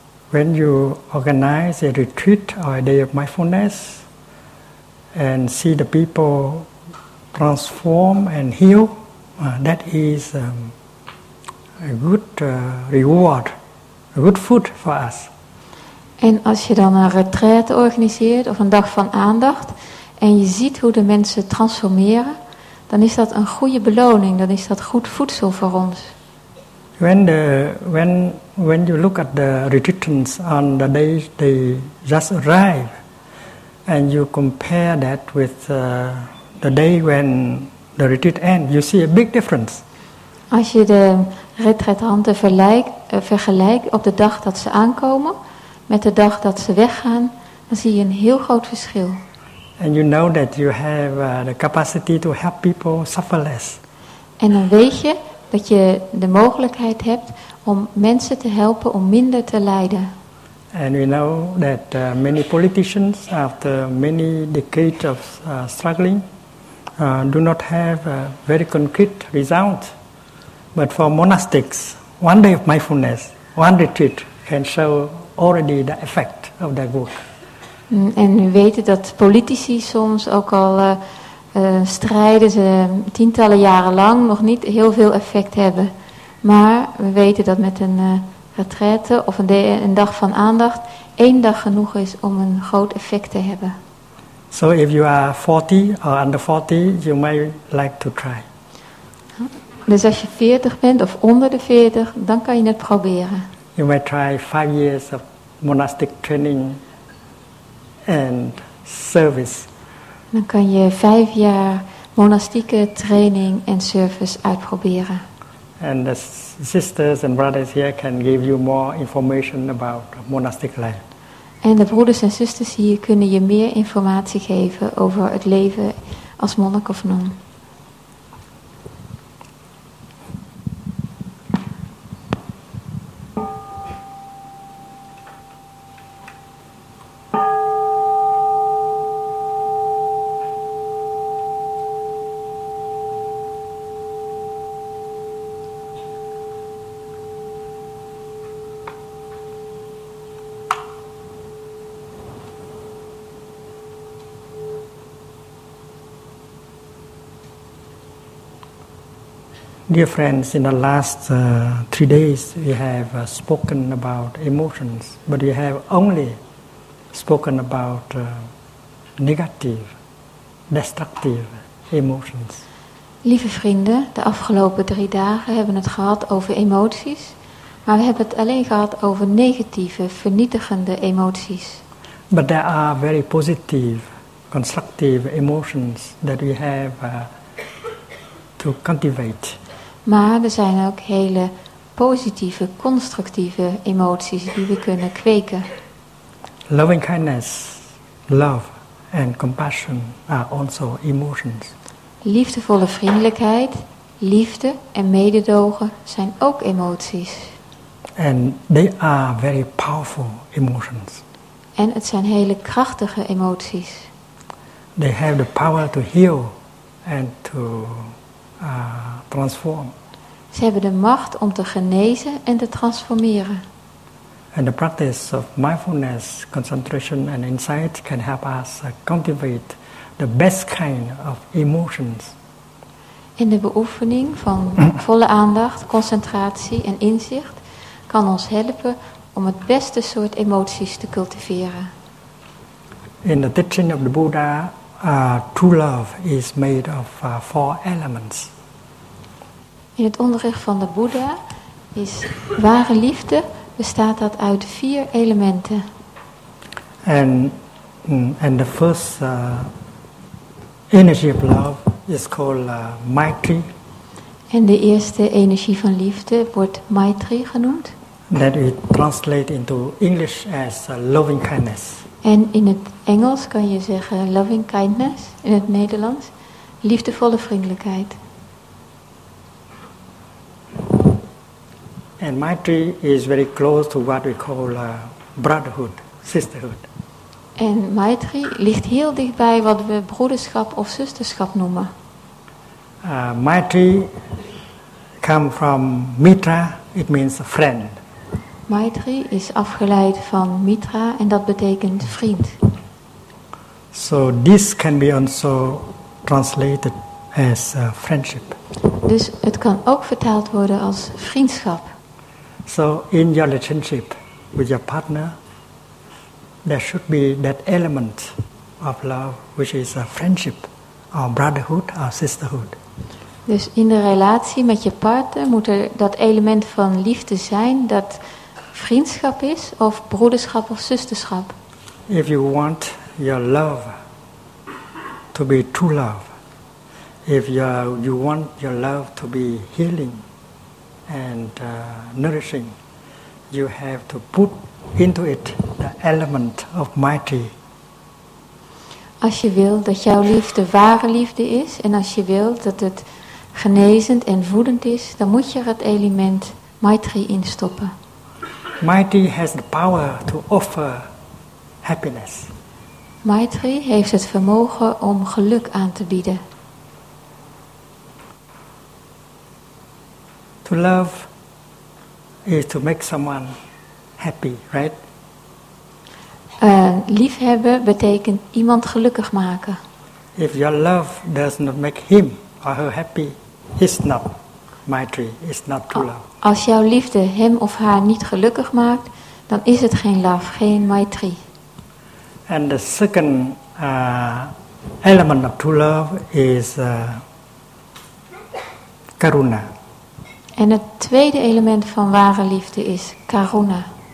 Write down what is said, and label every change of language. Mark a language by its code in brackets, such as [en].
[en] When you organize a retreat or a day of mindfulness and see the people transform and heal, that is a good reward, a good food for us. [nl] En als je dan een retraite organiseert of een dag van aandacht en je ziet hoe de mensen transformeren, dan is dat een goede beloning, dan is dat goed voedsel voor ons. [en] When you look at the retreatants on the day they just arrive, and you compare that with the day when the retreat ends, you see a big difference. [nl] Als je de retraitanten vergelijkt op de dag dat ze aankomen met de dag dat ze weggaan, dan zie je een heel groot verschil. [en] And you know that you have the capacity to help people suffer less. [nl] En dan weet je dat je de mogelijkheid hebt om mensen te helpen om minder te lijden. [en] And we know that many politicians, after many decades of struggling, do not have a very concrete result. But for monastics, one day of mindfulness, one retreat can show already the effect of their work. [nl] En we weten dat politici soms ook al strijden ze tientallen jaren lang nog niet heel veel effect hebben. Maar we weten dat met een retraite of een dag van aandacht één dag genoeg is om een groot effect te hebben. [en] So if you are 40 or under 40, you may like to try. [nl] Dus als je 40 bent of onder de 40, dan kan je het proberen. [en] You may try 5 years of monastic training and service. [nl] Dan kan je 5 jaar monastieke training en service uitproberen. [en] And the sisters and brothers here can give you more information about monastic life. [nl] En de broeders en zusters hier kunnen je meer informatie geven over het leven als monnik of non. [en] Dear friends, in the last 3 days, we have spoken about emotions, but we have only spoken about negative, destructive emotions. [nl] Lieve vrienden, de afgelopen 3 dagen hebben we het gehad over emoties, maar we hebben het alleen gehad over negatieve, vernietigende emoties. [en] But there are very positive, constructive emotions that we have to cultivate. [nl] Maar er zijn ook hele positieve, constructieve emoties die we kunnen kweken. [en] Loving kindness, love and compassion are also emotions. [nl] Liefdevolle vriendelijkheid, liefde en mededogen zijn ook emoties. [en] And they are very powerful emotions. [nl] En het zijn hele krachtige emoties. [en] They have the power to heal and to transform. [nl] Ze hebben de macht om te genezen en te transformeren. [en] And the practice of mindfulness, concentration and insight can help us cultivate the best kind of emotions. [nl] En de beoefening van volle aandacht, concentratie en inzicht kan ons helpen om het beste soort emoties te cultiveren. [en] In the teaching of the Buddha, true love is made of 4 elements. [nl] In het onderricht van de Boeddha is ware liefde bestaat dat uit 4 elementen. [en] And the first energy of love is called Maitri. [nl] En de eerste energie van liefde wordt Maitri genoemd. [en] That we translate into English as loving kindness. [nl] En in het Engels kan je zeggen [en] loving kindness, [nl] in het Nederlands liefdevolle vriendelijkheid. [en] And Maitri is very close to what we call brotherhood, sisterhood. [nl] En Maitri ligt heel dichtbij wat we broederschap of zusterschap noemen. [en] Maitri come from Mitra, it means a friend. [nl] Maitri is afgeleid van Mitra en dat betekent vriend. [en] So this can be also translated as friendship. [nl] Dus het kan ook vertaald worden als vriendschap. [en] So in your relationship with your partner, there should be that element of love, which is a friendship, or brotherhood, or sisterhood. [nl] Dus in de relatie met je partner moet er dat element van liefde zijn, dat vriendschap is, of broederschap of zusterschap. [en] If you want your love to be true love, if you want your love to be healing, and nourishing, you have to put into it the element of Maitri. [nl] Als je wil dat jouw liefde ware liefde is, en als je wil dat het genezend en voedend is, dan moet je er het element Maitri in stoppen. [en] Maitri has the power to offer happiness. [nl] Maitri heeft het vermogen om geluk aan te bieden. [en] To love is to make someone happy, right? [nl] Liefhebben betekent iemand gelukkig maken. [en] If your love does not make him or her happy, it's not Maitri, it's not true love. [nl] Als jouw liefde hem of haar niet gelukkig maakt, dan is het geen love, geen Maitri. [en] And the second element of true love is karuna. [nl] En het tweede element van ware liefde is karuna.